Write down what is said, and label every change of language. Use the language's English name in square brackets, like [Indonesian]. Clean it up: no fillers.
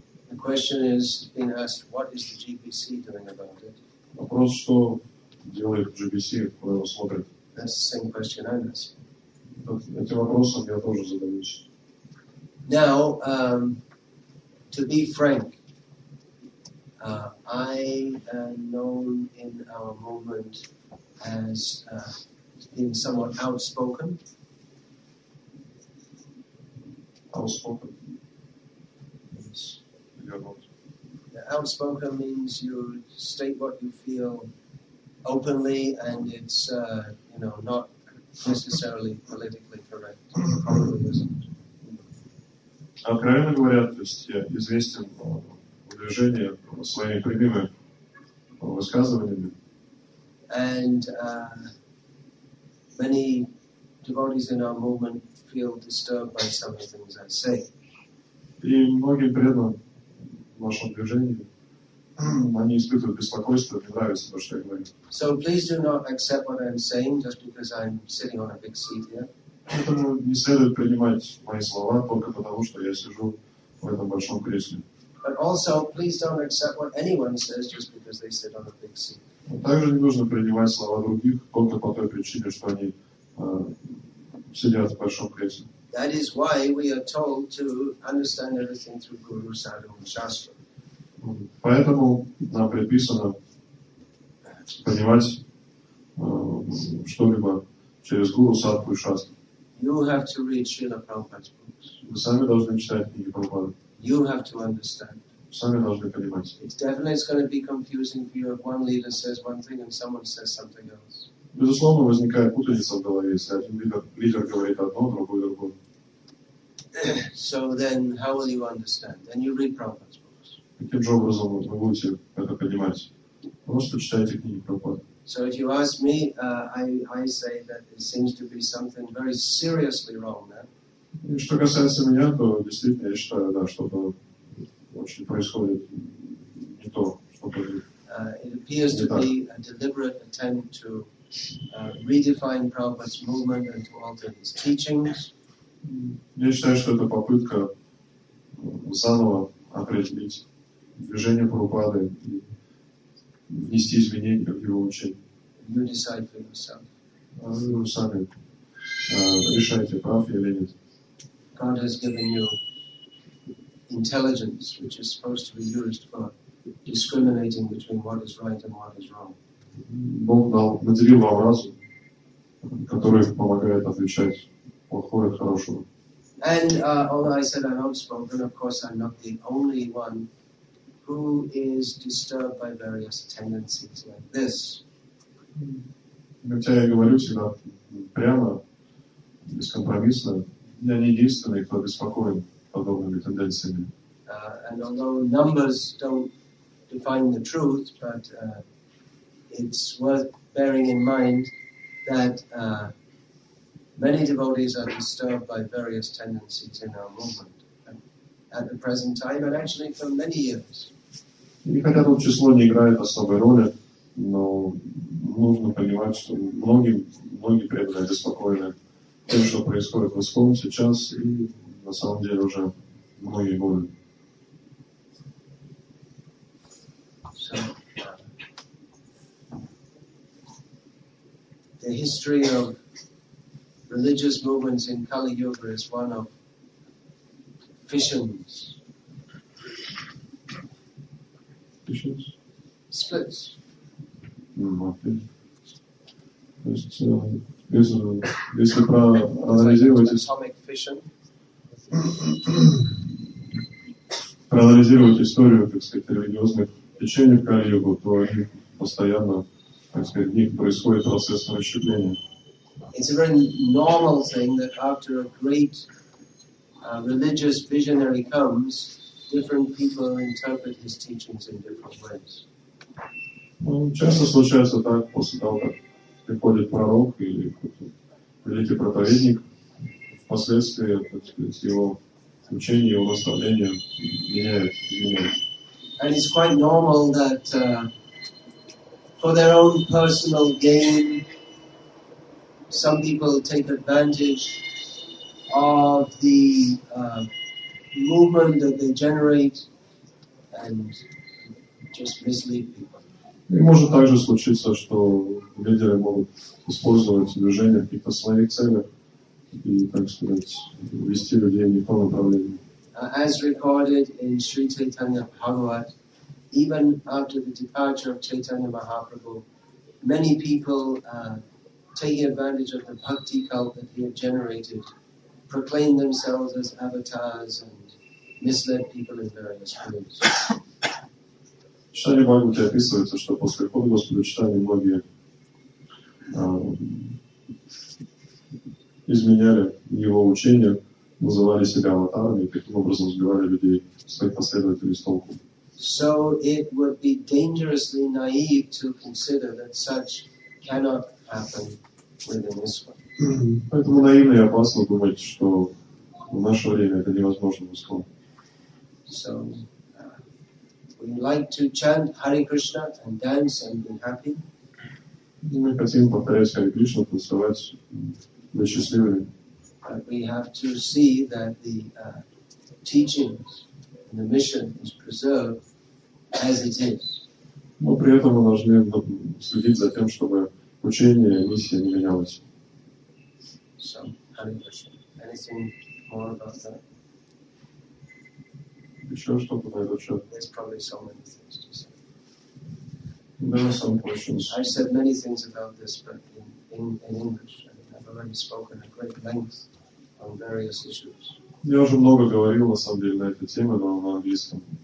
[English] The question is being asked, what is the GBC doing about it? [Russian] Вопрос, что делает GBC, куда его смотрит? [English] That's the same question I'm asking. [Russian] Этим вопросом я тоже задаюсь. [English] Now, to be frank, I am known in our movement as being somewhat outspoken. Outspoken? Yes. Yeah, outspoken means you state what you feel openly, and it's you know, not necessarily politically correct. Probably isn't. [Russian] Откровенно говоря, то есть я известен в движении своими прямыми высказываниями. [English] And many devotees in our movement feel disturbed by some of the things I say. [Russian] И многие преданные в нашем движении, они испытывают беспокойство, не нравится то, что я говорю. [English] So please do not accept what I'm saying just because I'm sitting on a big seat here. [Russian] Поэтому не следует принимать мои слова только потому, что я сижу в этом большом кресле. [English] But also, please don't accept what anyone says just because they sit on a big seat. [Russian] Но также не нужно принимать слова других только по той причине, что они сидят в большом кресле. [English] That is why we are told to understand everything through Guru, Sadhu, and Shastra. [Russian] Поэтому нам предписано понимать что-либо через Гуру, Садху и Шастру. [English] You have to read Srila Prabhupada's books. [Russian] Вы сами должны читать книги Прабхупады. [English] You have to understand. [Russian] Вы сами должны понимать. [English] It's definitely it's going to be confusing for you if one leader says one thing and someone says something else. [Russian] Безусловно, возникает путаница в голове, если один лидер говорит одно, другой другое. [English] So then, how will you understand? Then you read Prabhupada's books. [Russian] Каким же образом вы будете это понимать? Просто читайте книги Прабхупады. [English] So if you ask me, I say that there seems to be something very seriously wrong there. [Russian] Что касается меня, то действительно я считаю, да, что-то очень происходит не то, что-то. [English] It appears to be a deliberate attempt to redefine Prabhupada's movement and to alter his teachings. [Russian] Я считаю, что это попытка заново определить движение Прабхупады. Внести изменения в его учение. [English] You decide for yourself. [Russian] Вы сами решаете, прав я или нет. [English] God has given you intelligence, which is supposed to be used for discriminating between what is right and what is wrong. [Russian] Бог наделил вам разум, который помогает отличать плохое от хорошего. [English] And although I said I'm outspoken, of course I'm not the only one who is disturbed by various tendencies like this. [Russian] Хотя я говорю всегда прямо, бескомпромиссно, я не единственный, кто беспокоен подобными тенденциями. [English] And although numbers don't define the truth, but it's worth bearing in mind that many devotees are disturbed by various tendencies in our movement at the present time, and actually for many years. [Russian] И хотя тут число не играет особой роли, но нужно понимать, что многие, многие преданные обеспокоены тем, что происходит в ИСККОН сейчас и на самом деле уже многие годы. [English] The history of religious movements in Kali Yuga is one of fissions. Splits. [Russian] То есть, если проанализировать, проанализировать историю, так сказать, религиозных течений в Кали-Югу, то они постоянно, так сказать, в них происходит процесс расщепления. [English] It's a very normal thing that after a great religious visionary comes, different people interpret his teachings in different ways. [Russian] Ну, часто случается так, после того, как приходит пророк или какой-то великий проповедник, впоследствии, так сказать, его учение, его наставление меняет, изменяет. [English] And it's quite normal that for their own personal gain, some people take advantage of the movement that they generate and just mislead people. [Russian] И может также случиться, что лидеры могут использовать движение в каких-то своих целях и, так сказать, вести людей не в том направлении. [English] As recorded in Sri Chaitanya Bhagavat, even after the departure of Chaitanya Mahaprabhu, many people taking advantage of the bhakti cult that he had generated, proclaimed themselves as avatars and misled people in various ways. [Russian] В Читании Бхагавате описывается, что после ухода Господа Читания многие изменяли его учение, называли себя аватарами и таким образом сбивали людей, своих последователей с толку. [English] So it would be dangerously naive to consider that such cannot happen within ISKCON. [Russian] Поэтому наивно и опасно думать, что в наше время это невозможно в ISKCON. [English] So, we like to chant Hare Krishna and dance and be happy. [Russian] Мы хотим повторять Hare Krishna, танцевать, быть счастливыми. [English] But we have to see that the teachings and the mission is preserved as it is. [Russian] Но при этом мы должны следить за тем, чтобы учение и миссия не менялось. [English] So, Hare Krishna. Anything more about that? [Russian] Еще что-то на этот счет. [English] There's probably so many things to say. There are some questions. I said many things about this, but in English. I mean, I've already spoken at great length on various issues. [Russian] Я уже много говорил, на самом деле, на эту тему, но на английском.